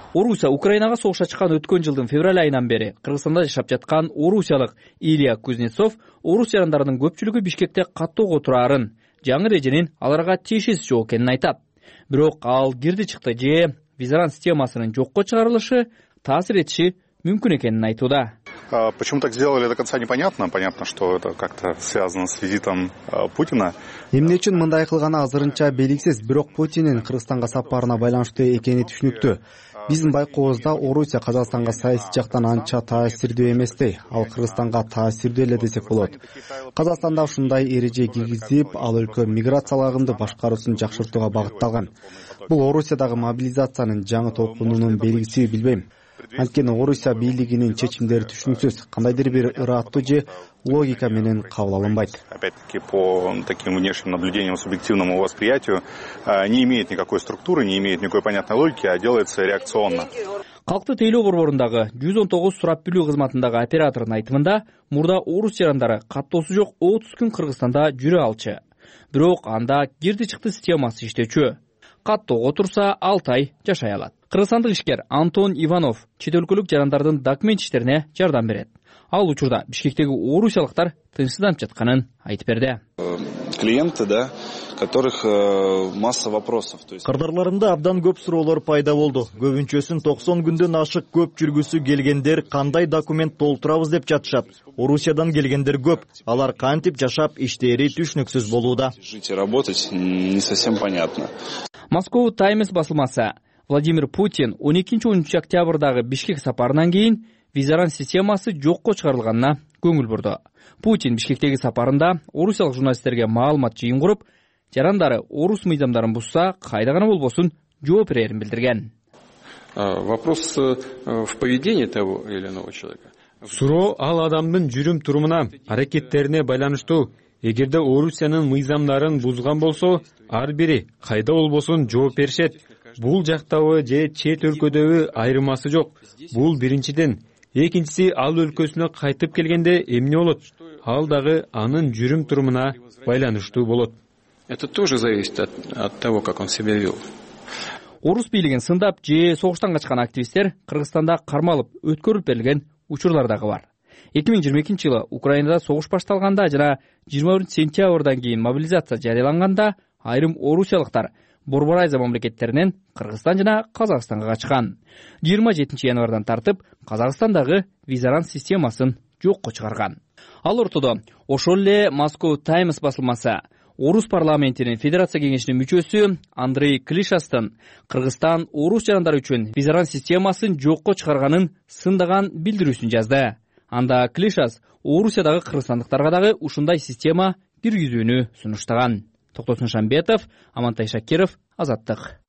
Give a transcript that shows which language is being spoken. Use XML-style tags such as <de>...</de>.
<ky>Орусия Украинага согуш ачкан өткөн жылдын февраль айынан бери Кыргызстанда жашап жаткан орусиялык Илья Кузнецов орус жарандарынын көпчүлүгү Бишкекте каттоого тураарын, жаңы эреженин аларга тиешеси жок экенин айтат. Бирок ал кирди чыкты же визаран системасынын жокко чыгарылышы таасир этиши мүмкүн экенин айтууда.</ky> <ru>Почему так сделали, до конца непонятно. Понятно, что это как-то связано с визитом Путина.</ru> <ky>Эмне үчүн мындай кылганы азырынча белгисиз, бирок Путиндин Кыргызстанга сапарына байланыштуу экени түшүнүктүү. Биздин байкообузда Орусия Казакстанга саясий жактан анча таасирдүү эместе, ал Кыргызстанга таасирдүү эле десек болот. Казакстанда ушундай эреже киргизип, ал өлкө миграциялык агымды башкаруусун жакшыртууга багытталган. Бул Орусиядагы мобилизациянын жаңы толкунунун белгиси билбейм. Анткени Орусия бийлигинин чечимдери түшүнүксүз, кандайдыр бир ырааттуу же логика менен кабыл алынбайт.</ky> <ru>Опять-таки по таким внешним наблюдениям, субъективному восприятию, не имеет никакой структуры, не имеет никакой понятной логики, а делается реакционно.</ru> <ky>Калкты тейлөө борборундагы 119 сурап билүү кызматындагы оператордун айтымында, мурда орус жарандары каттоосу жок 30 күн Кыргызстанда жүрө алчу. Бирок анда кирди чыкты системасы иштечү. Каттоого турса 6 ай жашай алат. Кыргызстандык ишкер Антон Иванов чет өлкөлүк жарандардын документ иштерине жардам берет. Ал учурда Бишкектеги орусиялыктар тынчсызданып жатканын айтып берди.</ky> <ru>клиенты, да, которых масса вопросов.</ru> <ky>Кардарларында абдан көп суроолор пайда болду. Көбүнчөсүн 90 күндөн ашык көп жүргүсү келгендер кандай документ толтурабыз деп жатышат. Орусиядан келгендер көп. Алар кантип жашап, иштери түшүнүксүз болууда.</ky> <ru>Жить и работать не совсем понятно.</ru> <ky>Moscow Times басылмасы. Владимир Путин 12-13 октябрдагы Бишкек сапарынан кийин визаран системасы жокко чыгарылганына көңүл бурду. Путин Бишкектеги сапарында орусиялык журналисттерге маалымат жыйын куруп, жарандары орус мыйзамдарын бузса, кайда гана болбосун жооп берерин билдирген.</ky> <ru>Вопрос в поведении того или иного человека.</ru> <ky>Суроо ал адамдын жүрүм-турумуна, аракеттерине байланыштуу. Эгерде Орусиянын мыйзамдарын бузган болсо, ар бири кайда болбосун жооп беришет. Бул жактабы же чет өлкөдөбү айырмасы жок. Бул биринчиден. Экинчиси ал өлкөсүнө кайтып келгенде эмне болот? Ал дагы анын жүрүм-турумуна байланыштуу болот.</ky> <ru>Это тоже зависит от того, как он себя вел.</ru> <ky>Орус бийлигин сындап же согуштан качкан активисттер Кыргызстанда кармалып өткөрүлүп берилген учурлар дагы бар. 2022 жылы Украинада согуш башталганда жана 21 сентябрдан кийин мобилизация жарыяланганда айрым орусиялыктар Борбор Азия мамлекеттеринен Кыргызстан жана Казакстанга качкан. 27 январдан тартып Казакстандагы визаран системасын жокко чыгарган. Ал ортодо ошол эле Moscow Times басылмасы Орус парламентинин федерация кеңешинин мүчөсү Андрей Клишастын Кыргызстан орус жарандары үчүн визаран системасын жокко чыгарганын сындаган билдирүүсүн жазды. Анда Клишас Орусиядагы кыргызстандыктарга дагы ушундай система киргизүүнү сунуштаган. Токтосун Шамбетов, Амантай Шакиров, Азаттык.</ky>